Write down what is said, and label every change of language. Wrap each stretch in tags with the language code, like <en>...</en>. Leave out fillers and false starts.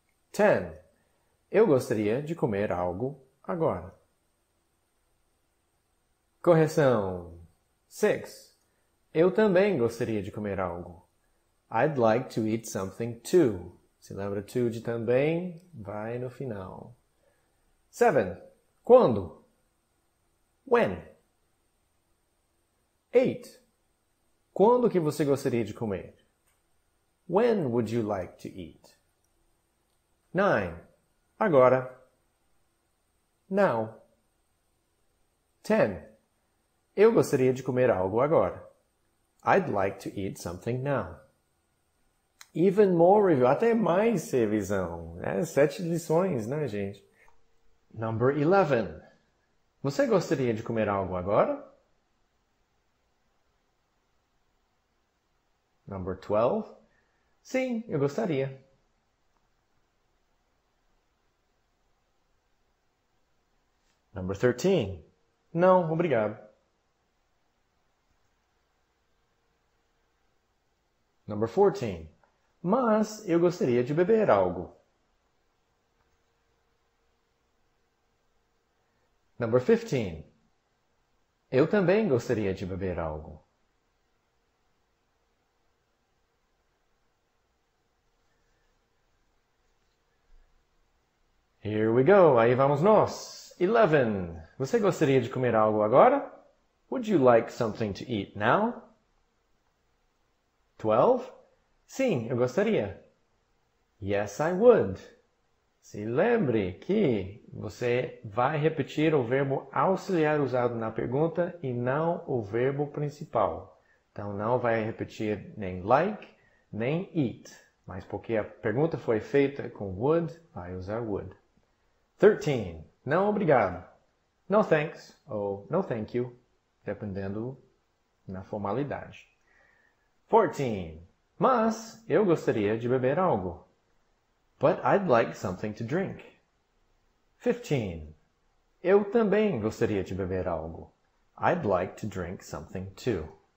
<en>Ten.</en> <pt>Eu gostaria de comer algo agora. Correção. 6. Eu também gostaria de comer algo.</pt> <en>I'd like to eat something too.</en> <pt>Se lembra to de também, vai no final. 7. Quando?</pt> <en>When? 8.</en> <pt>Quando que você gostaria de comer?</pt> <en>When would you like to eat?</en> <pt>9. Agora.</pt> <en>Now.</en> <pt>10. Eu gostaria de comer algo agora.</pt> <en>I'd like to eat something now. Even more review.</en> <pt>Até mais revisão. É, 7 lições, né, gente?</pt> <en>Number 11.</en> <pt>Você gostaria de comer algo agora?</pt> <en>Number 12.</en> <pt>Sim, eu gostaria.</pt> <en>Number 13.</en> <pt>Não, obrigado.</pt> <en>Number 14.</en> <pt>Mas eu gostaria de beber algo.</pt> <en>Number 15.</en> <pt>Eu também gostaria de beber algo.</pt> <en>Here we go.</en> <pt>Aí vamos nós. 11. Você gostaria de comer algo agora?</pt> <en>Would you like something to eat now?</en> <pt>12. Sim, eu gostaria.</pt> <en>Yes, I would.</en> <pt>Se lembre que você vai repetir o verbo auxiliar usado na pergunta e não o verbo principal. Então, não vai repetir nem like, nem eat. Mas porque a pergunta foi feita com would, vai usar would. 13. Não obrigado.</pt> <en>No thanks</en> <pt>ou</pt> <en>no thank you,</en> <pt>dependendo na formalidade. 14. Mas eu gostaria de beber algo.</pt> <en>But I'd like something to drink. 15.</en> <pt>Eu também gostaria de beber algo.</pt> <en>I'd like to drink something too.</en>